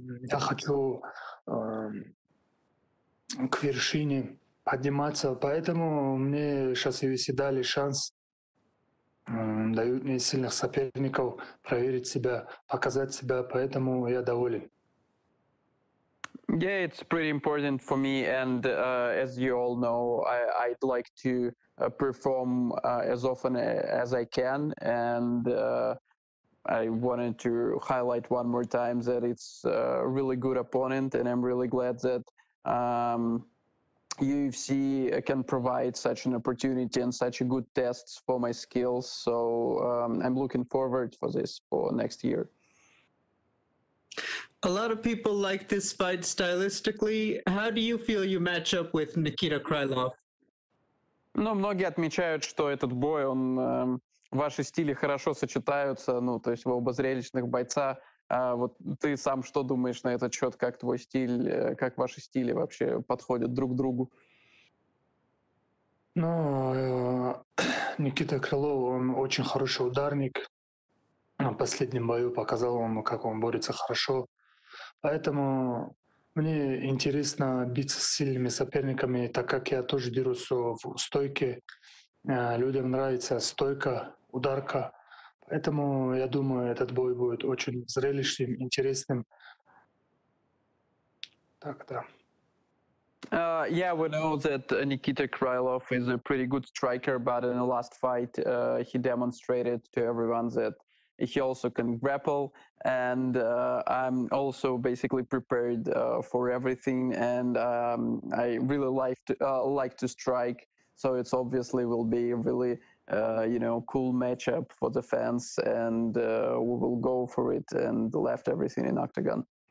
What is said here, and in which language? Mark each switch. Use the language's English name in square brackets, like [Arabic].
[Russian] Я хочу к вершине подниматься. Поэтому мне сейчас UFC дали шанс, дают мне сильных соперников проверить себя, показать себя. Поэтому я доволен. [English] Yeah, it's pretty important for me. And as you all know, I'd like to perform as often as I can. And I wanted to highlight one more time that it's a really good opponent, and I'm really glad that UFC can provide such an opportunity and such a good test for my skills. So I'm looking forward for this for next year. A lot of people like this fight stylistically. How do you feel you match up with Nikita Krylov? [Russian] Ну, многие отмечают, что этот бой, он ваши стили хорошо сочетаются, ну, то есть вы оба зрелищных бойца. Вот ты сам что думаешь на этот счет, как твой стиль, как ваши стили вообще подходят друг к другу? Ну, Никита Крылов, он очень хороший ударник. На последнем бою показал вам, как он борется хорошо. Поэтому мне интересно биться с сильными соперниками, так как я тоже дерусь в стойке. Людям нравится стойка, ударка. Поэтому я думаю, этот бой будет очень зрелищным, интересным. Так, да. [English] Yeah, we know that Nikita Krylov is a pretty good striker, but in the last fight he demonstrated to everyone that he also can grapple, and I'm also basically prepared for everything, and I really like to strike, so it's obviously will be a really you know, cool matchup for the fans, and we will go for it and left everything in octagon.